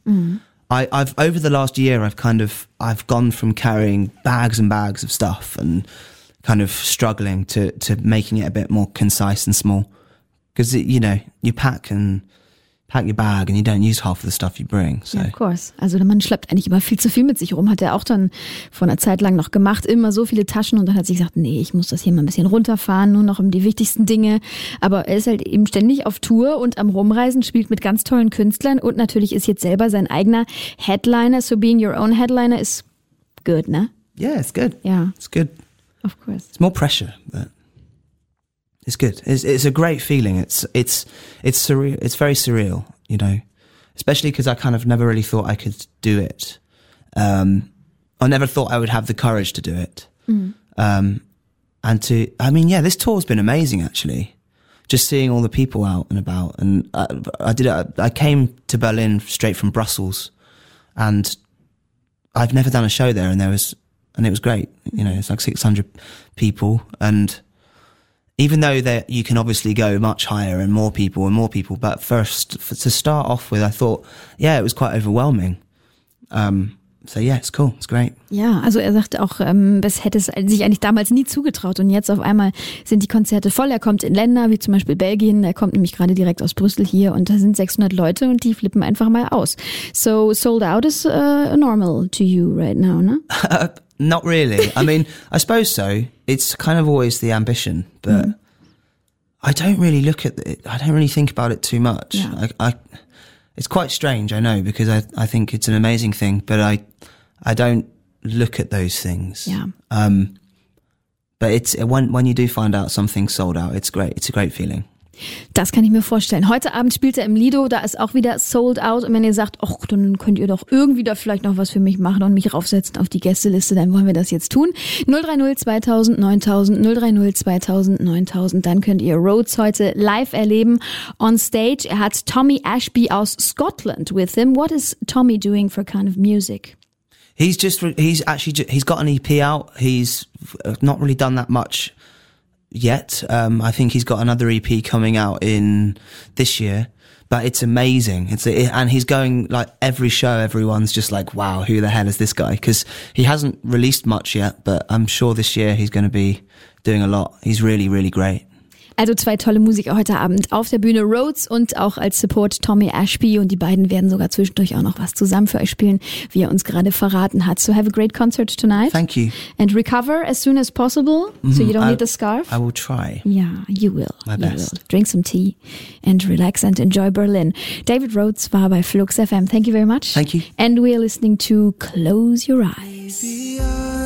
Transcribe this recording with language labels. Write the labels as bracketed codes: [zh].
[en] Mm-hmm. I've over the last year, I've gone from carrying bags and bags of stuff and kind of struggling to making it a bit more concise and small. Because, you know, you pack your bag and you don't use half of the stuff you bring. So. Yeah, of course. [de] Also der Mann schleppt eigentlich immer viel zu viel mit sich rum, hat er auch dann vor einer Zeit lang noch gemacht, immer so viele Taschen und dann hat sich gesagt, nee, ich muss das hier mal ein bisschen runterfahren, nur noch um die wichtigsten Dinge. Aber er ist halt eben ständig auf Tour und am Rumreisen, spielt mit ganz tollen Künstlern und natürlich ist jetzt selber sein eigener Headliner. [en] So being your own headliner is good, ne? Yeah, it's good. Yeah. It's good. Of course. It's more pressure, but... It's good. It's a great feeling. It's surreal. It's very surreal, you know, especially because I kind of never really thought I could do it. I never thought I would have the courage to do it. Mm. This tour has been amazing, actually. Just seeing all the people out and about. And I came to Berlin straight from Brussels and I've never done a show there and it was great. You know, it's like 600 people and, even though that you can obviously go much higher and more people, but first to start off with, I thought, yeah, it was quite overwhelming. So yeah, it's cool, it's great. [de] Ja, also er sagte auch, es hätte es sich eigentlich damals nie zugetraut und jetzt auf einmal sind die Konzerte voll. Er kommt in Länder wie zum Beispiel Belgien. Er kommt nämlich gerade direkt aus Brüssel hier und da sind 600 Leute und die flippen einfach mal aus. [en] So sold out is normal to you right now, ne? Not really. I mean, I suppose so. It's kind of always the ambition, but mm-hmm. I don't really look at it. I don't really think about it too much. Yeah. It's quite strange, I know, because I think it's an amazing thing, but I don't look at those things. Yeah. But it's when you do find out something sold out, it's great. It's a great feeling. [de] Das kann ich mir vorstellen. Heute Abend spielt er im Lido, da ist auch wieder sold out. Und wenn ihr sagt, ach, dann könnt ihr doch irgendwie da vielleicht noch was für mich machen und mich raufsetzen auf die Gästeliste, dann wollen wir das jetzt tun. 030 2000 9000, 030 2000 9000, dann könnt ihr Rhodes heute live erleben on stage. Er hat Tommy Ashby aus Scotland [en] with him. What is Tommy doing for kind of music? He's got an EP out. He's not really done that much yet. I think he's got another EP coming out in this year, but it's amazing. And he's going like every show, everyone's just like, wow, who the hell is this guy? Because he hasn't released much yet, but I'm sure this year he's going to be doing a lot. He's really, really great. [de] Also zwei tolle Musiker heute Abend auf der Bühne, Rhodes und auch als Support Tommy Ashby. Und die beiden werden sogar zwischendurch auch noch was zusammen für euch spielen, wie er uns gerade verraten hat. [en] So have a great concert tonight. Thank you. And recover as soon as possible, so you don't need the scarf. I will try. Yeah, you will. My you best. Will. Drink some tea and relax and enjoy Berlin. [de] David Rhodes war bei Flux FM. [en] Thank you very much. Thank you. And we are listening to Close Your Eyes.